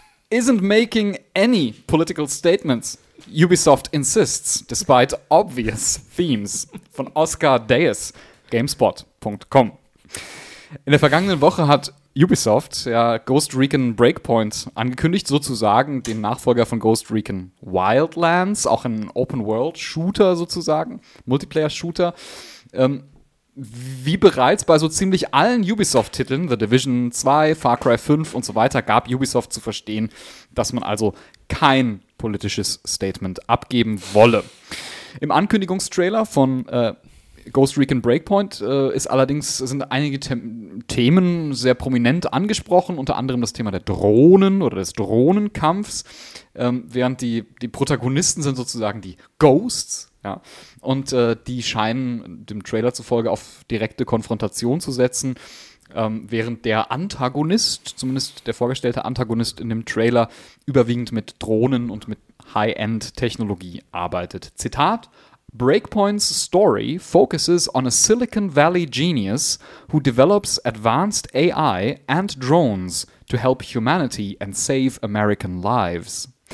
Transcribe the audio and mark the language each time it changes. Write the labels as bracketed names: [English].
[English] Isn't making any political statements. Ubisoft insists, despite obvious themes. [German] Von Oscar Deyes, GameSpot.com. In der vergangenen Woche hat Ubisoft, ja, Ghost Recon Breakpoint angekündigt, sozusagen den Nachfolger von Ghost Recon Wildlands, auch ein Open-World-Shooter sozusagen, Multiplayer-Shooter. Wie bereits bei so ziemlich allen Ubisoft-Titeln, The Division 2, Far Cry 5 und so weiter, gab Ubisoft zu verstehen, dass man also kein politisches Statement abgeben wolle. Im Ankündigungstrailer von Ghost Recon Breakpoint sind einige Themen sehr prominent angesprochen, unter anderem das Thema der Drohnen oder des Drohnenkampfs, während die Protagonisten sind sozusagen die Ghosts, ja, und die scheinen dem Trailer zufolge auf direkte Konfrontation zu setzen, während der Antagonist, zumindest der vorgestellte Antagonist in dem Trailer, überwiegend mit Drohnen und mit High-End-Technologie arbeitet. Zitat: [English] Breakpoint's story focuses on a Silicon Valley genius who develops advanced AI and drones to help humanity and save American lives.